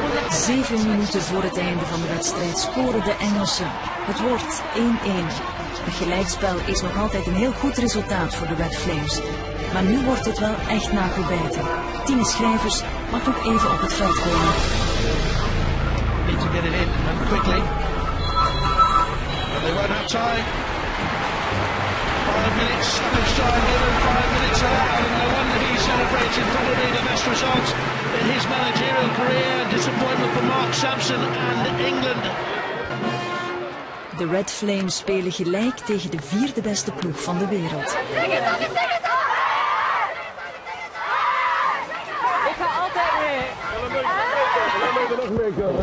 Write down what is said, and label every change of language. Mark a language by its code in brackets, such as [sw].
[nl] Zeven minuten voor het einde van de wedstrijd scoren de Engelsen. Het wordt 1-1. Een gelijkspel is nog altijd een heel goed resultaat voor de Red Flames. Maar nu wordt het wel echt nagelbijten. Tine Schrijvers mag ook even op het veld komen. [en] Need to get it in and quickly. But they won't have time. 5 minutes of his time given, 5 minutes allowed, and no wonder he's celebrating probably the best results in his managerial career. Disappointment for Mark Sampson and England. [nl] De Red Flames spelen gelijk tegen de vierde beste ploeg van de wereld. Ik ga altijd mee.